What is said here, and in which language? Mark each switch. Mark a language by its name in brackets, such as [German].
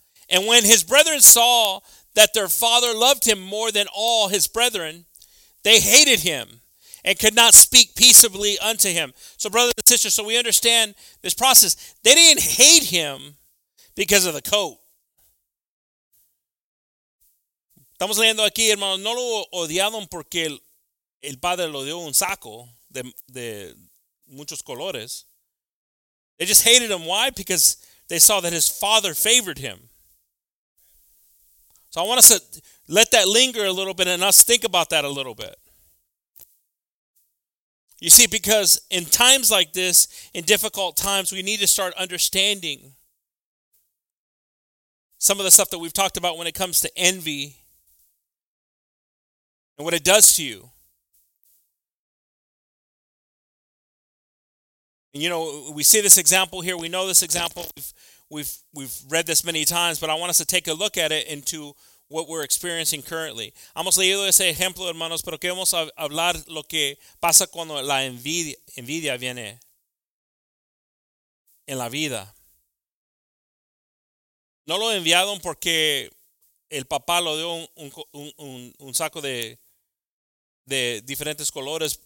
[English] And when his brethren saw that their father loved him more than all his brethren, they hated him and could not speak peaceably unto him. So, brothers and sisters, so we understand this process. They didn't hate him because of the coat. [Spanish] Estamos leyendo aquí, hermanos, no lo odiaron porque el padre lo dio un saco de muchos colores. [English] They just hated him. Why? Because they saw that his father favored him. So I want us to let that linger a little bit and us think about that a little bit. You see, because in times like this, in difficult times, we need to start understanding some of the stuff that we've talked about when it comes to envy and what it does to you. And you know, we see this example here. We know this example. We've read this many times, but I want us to take a look at it into what we're experiencing currently. [Spanish] Hemos leído ese ejemplo, hermanos, pero queremos hablar lo que pasa cuando la envidia viene en la vida. No lo enviaron porque el papá lo dio un saco de diferentes colores.